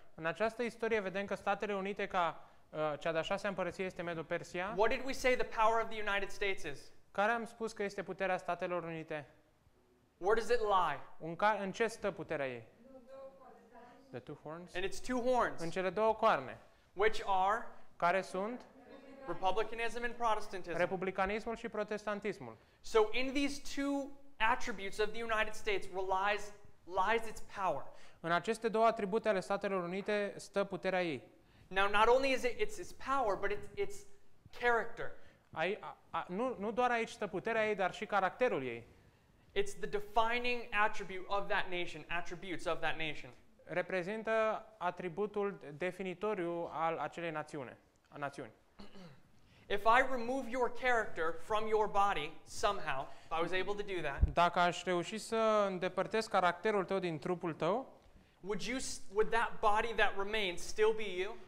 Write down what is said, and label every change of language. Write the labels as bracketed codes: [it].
[ro] În această istorie vedem că Statele Unite ca cea de-a șasea împărăție este Medo-Persia. [en] What did we say the power of the United States is? [ro] Care am spus că este puterea Statelor Unite? [en] Where does it lie? [ro] În ce stă puterea ei? [en] The two horns. And it's two horns. [ro] În cele două coarne. [en] Which are? [ro] Care sunt? [en] Republicanism and Protestantism. [ro] Republicanismul și protestantismul. [en] So in these two attributes of the United States lies its power. [ro] În aceste două atribute ale Statelor Unite stă puterea ei. [en] Now not only is it's its power, but it's character. [ro] Nu doar aici stă puterea ei, dar și caracterul ei. [en] It's the defining attribute of that nation, attributes of that nation. [ro] Reprezintă atributul definitoriu al acelei națiune, a națiuni. [en] If I remove your character from your body somehow, if I was able to do that. [ro] Dacă aș reuși să îndepărtez caracterul tău din trupul tău, [en] would that body that remains still be you?